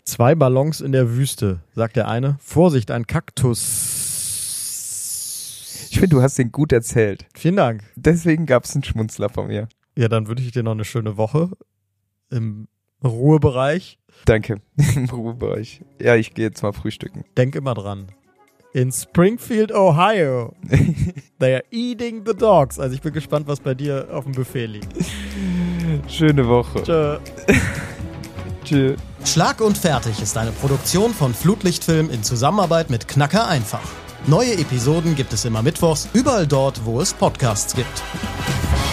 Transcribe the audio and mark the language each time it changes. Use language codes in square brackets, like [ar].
[de] Zwei Ballons in der Wüste, sagt der eine. Vorsicht, ein Kaktus. Ich finde, du hast den gut erzählt. Vielen Dank. Deswegen gab es einen Schmunzler von mir. Ja, dann wünsche ich dir noch eine schöne Woche im Ruhebereich. Danke, im Ruhebereich. Ja, ich gehe jetzt mal frühstücken. Denk immer dran. [en] In Springfield, Ohio, they are eating the dogs. [de] Also ich bin gespannt, was bei dir auf dem Buffet liegt. Schöne Woche. Tschö. Tschö. Schlag und Fertig ist eine Produktion von Flutlichtfilm in Zusammenarbeit mit Knacker Einfach. Neue Episoden gibt es immer mittwochs, überall dort, wo es Podcasts gibt.